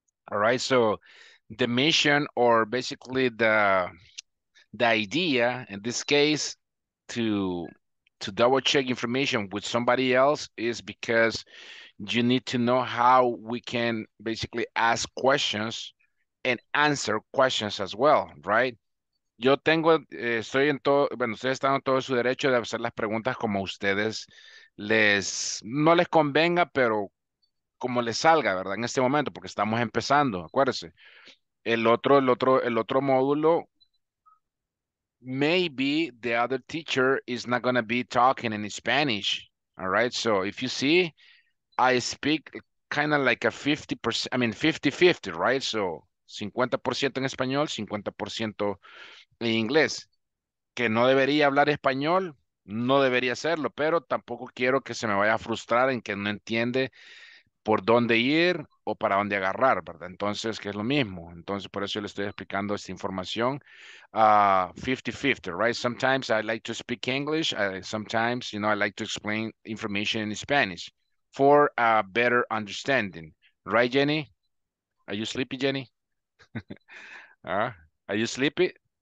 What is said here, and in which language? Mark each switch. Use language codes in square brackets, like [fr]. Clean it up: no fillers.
[en] All right, so the mission, or basically the idea in this case, to double check information with somebody else is because you need to know how we can basically ask questions and answer questions as well, right? [es] Yo tengo, estoy en todo, bueno, ustedes están en todo su derecho de hacer las preguntas como ustedes les, no les convenga, pero como le salga, ¿verdad? En este momento, porque estamos empezando, acuérdense. El otro módulo, [en] maybe the other teacher is not going to be talking in Spanish, all right? So if you see, I speak kind of like a 50%, I mean, 50-50, right? [es] So 50% en español, 50% en inglés. Que no debería hablar español, no debería hacerlo, pero tampoco quiero que se me vaya a frustrar en que no entiende por dónde ir o para dónde agarrar, ¿verdad? Entonces, que es lo mismo. Entonces, por eso le estoy explicando esta información. [en] 50-50, right? Sometimes I like to speak English. Sometimes, you know, I like to explain information in Spanish for a better understanding. Right, Jenny? Are you sleepy, Jenny? Are you sleepy?